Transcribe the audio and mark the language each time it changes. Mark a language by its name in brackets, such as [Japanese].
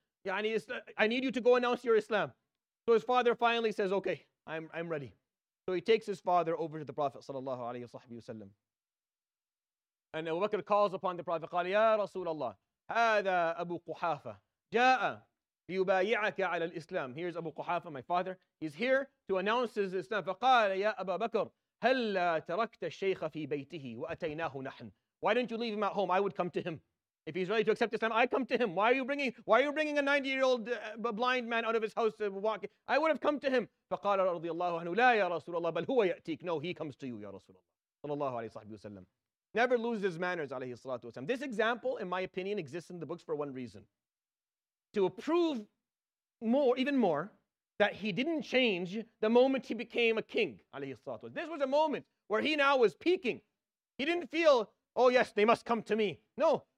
[English] I need you to go announce your Islam. So his father finally says, okay, I'm ready. So he takes his father over to the Prophet sallallahu alayhi wa sallam. And Abu Bakr calls upon the Prophet, قال, Ya Rasulallah, [Arabic] هذا أبو قحافة جاء ليبايعك على الإسلام. [English] Here's Abu قحافة, my father. He's here to announce his Islam. [Arabic] فقال يا أبا بكر هل تركت الشيخ في بيته وأتيناه نحن. [English] Why don't you leave him at home? I would come to him. If he's ready to accept Islam, I come to him. Why are you bringing a 90-year-old blind man out of his house to walk? I would have come to him. [Arabic] فقال رضي الله عنه لا يا رسول الله بل هو يأتيك. [English] No, he comes to you, يا رسول الله. [Arabic] صلى الله عليه وسلم. [English] Never loses his manners, alayhi salatu wasalam. This example, in my opinion, exists in the books for one reason. To prove more, even more, that he didn't change the moment he became a king, alayhi salatu wasalam. This was a moment where he now was peaking. He didn't feel, oh yes, they must come to me. No,